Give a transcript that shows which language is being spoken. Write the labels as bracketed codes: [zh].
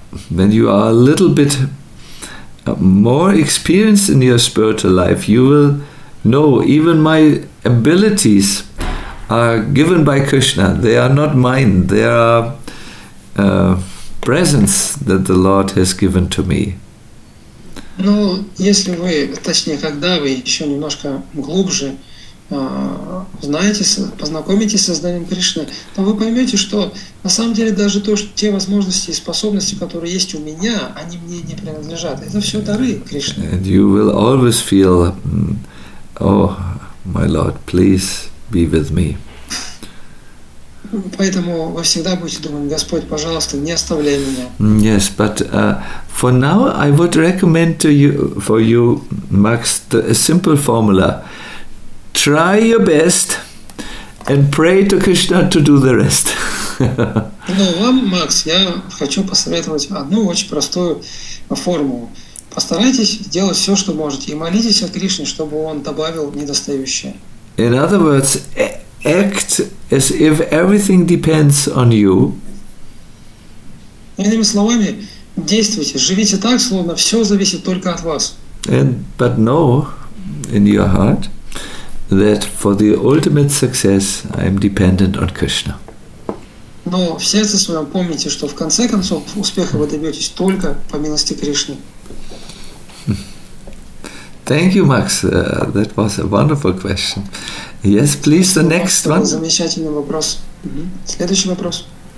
[en] When you are a little bit more experienced in your spiritual life, you will know even my abilities are given by Krishna. They are not mine. They are presents that the Lord has given to me. [ru] Но если вы, точнее, когда вы еще немножко глубже знаете, познакомитесь с сознанием Кришны, то вы поймете, что на самом деле даже то, что те возможности и способности, которые есть у меня, они мне не принадлежат. Это все дары Кришны. [en] And you will always feel, oh, my Lord, please be with me. [ru] Поэтому вы всегда будете думать, Господь, пожалуйста, не оставляй меня. [en] Yes, but for now I would recommend to you, for you, Max, a simple formula. Try your best and pray to Krishna to do the rest. [ru] Ну, вам, Макс, я хочу посоветовать одну очень простую формулу. Постарайтесь сделать все, что можете, и молитесь о Кришне, чтобы он добавил недостающее. [en] In other words, act as if everything depends on you. [ru] Иными словами, действуйте, живите так, словно все зависит только от вас. [en] And, but know in your heart that for the ultimate success, I am dependent on Krishna. [ru] Но в сердце своем помните, что в конце концов успеха вы добьетесь только по милости Кришны. [en] Thank you, Max. That was a wonderful question. Yes, please, the next one. [ru] Замечательный вопрос. Следующий вопрос.